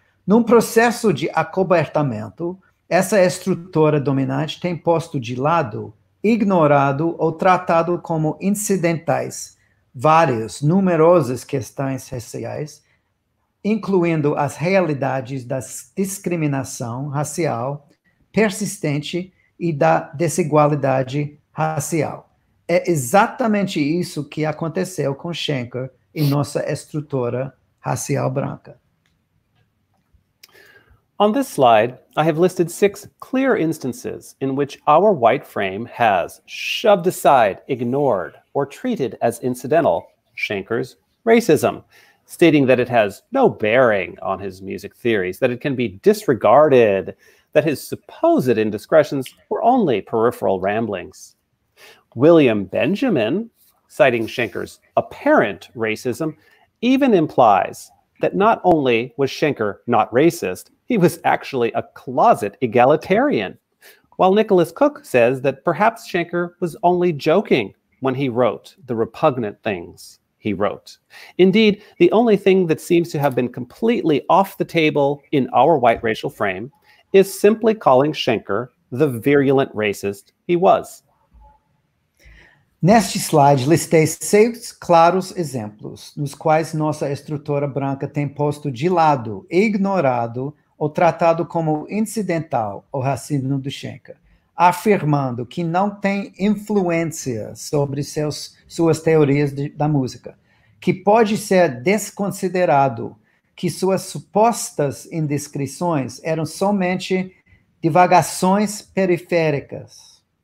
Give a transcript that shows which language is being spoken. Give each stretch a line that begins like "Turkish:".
Portuguese: Num processo de acobertamento, essa estrutura dominante tem posto de lado, ignorado ou tratado como incidentais várias, numerosas questões raciais, incluindo as realidades da discriminação racial persistente e da desigualdade racial. É exatamente isso que aconteceu com Schenker e nossa estrutura racial branca.
English: On this slide, I have listed six clear instances in which our white frame has shoved aside, ignored, or treated as incidental Schenker's racism, stating that it has no bearing on his music theories, that it can be disregarded, that his supposed indiscretions were only peripheral ramblings. William Benjamin, citing Schenker's apparent racism, even implies that not only was Schenker not racist, he was actually a closet egalitarian. While Nicholas Cook says that perhaps Schenker was only joking when he wrote the repugnant things he wrote. Indeed, the only thing that seems to have been completely off the table in our white racial frame is simply calling Schenker the virulent racist he was.
Portuguese: Neste slide, listei seis claros exemplos nos quais nossa estrutura branca tem posto de lado, ignorado ou tratado como incidental o racismo do Schenker, afirmando que não tem influência sobre suas teorias da música, que pode ser desconsiderado, que suas supostas indiscrições eram somente divagações periféricas.